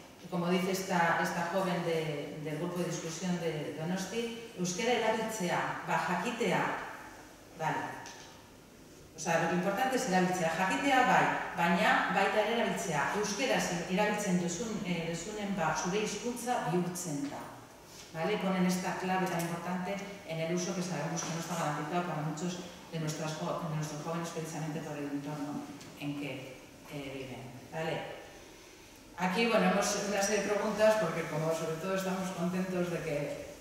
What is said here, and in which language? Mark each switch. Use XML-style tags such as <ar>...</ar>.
<es>Como dice esta joven del grupo de discusión de Donosti,</es> <eu>euskera erabiltzea, ba, jakitea,</eu> <es>vale. O sea, lo que importante es</es> <eu>erabiltzea, jakitea bai, baina baita ere erabiltzea. Euskera erabiltzen duzunen, ba, zure hizkuntza bihurtzen da.</eu> <es>Vale, ponen esta clave tan importante en el uso que sabemos que no está garantizado para muchos de nuestros jóvenes precisamente por el entorno en que viven. Vale. Aquí, bueno, hemos una serie de preguntas porque como sobre todo estamos contentos de que</es>